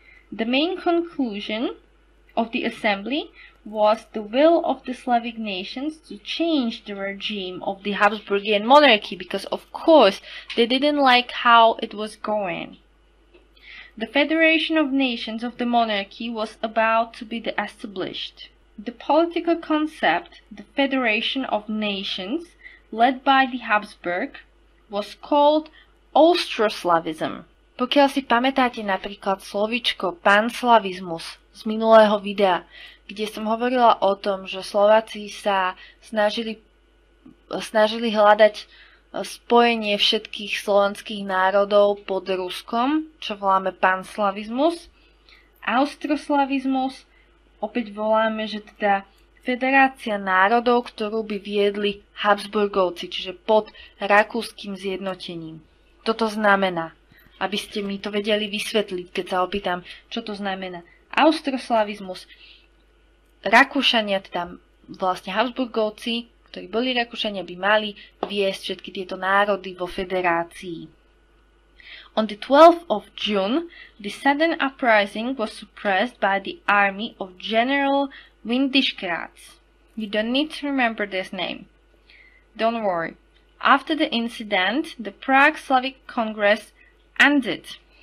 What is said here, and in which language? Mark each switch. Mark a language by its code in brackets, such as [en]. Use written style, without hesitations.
[en] The main conclusion of the assembly was the will of the Slavic nations to change the regime of the Habsburgian monarchy, because of course they didn't like how it was going. The Federation of Nations of the monarchy was about to be established. The political concept, the Federation of Nations, led by the Habsburg, was called Austroslavism. [sk] Pokiaľ si pamätáte napríklad slovičko panslavizmus z minulého videa, kde som hovorila o tom, že Slováci sa snažili hľadať spojenie všetkých slovanských národov pod Ruskom, čo voláme panslavizmus. Austroslavizmus opäť voláme, že teda federácia národov, ktorú by viedli Habsburgovci, čiže pod rakúskym zjednotením. Toto znamená, aby ste mi to vedeli vysvetliť, keď sa opýtam, čo to znamená. Austroslavizmus. Rakúšania, teda vlastne Habsburgovci, ktorí boli Rakúšania, by mali viesť všetky tieto národy vo federácii. [en] On the 12th of June, the sudden uprising was suppressed by the army of General Windischgratz. You don't need to remember this name. Don't worry. After the incident, the Prague Slavic Congress ended.